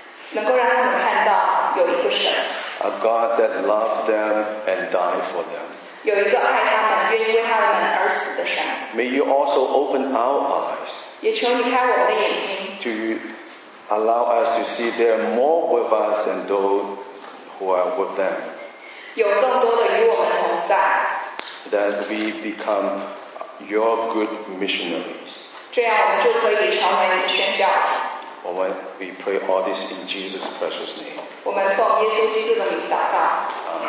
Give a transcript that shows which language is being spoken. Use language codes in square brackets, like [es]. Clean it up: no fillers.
[zh] 能够让他们看到有一个神 [en] ，A God that loves them and died for them. [zh] 有一个爱他们、愿意为他们而死的神。 [en] May you also open our eyes. [zh] 也求你开我们的眼睛。 [en] To allow us to see there are more with us than those who are with them. [zh] 有更多的与我们同在。 [en] That we become your good missionaries. [zh] 这样我们就可以成为你的宣教者。 [en] We pray all this in Jesus' precious name. [zh] 我们奉耶稣基督的名祷告。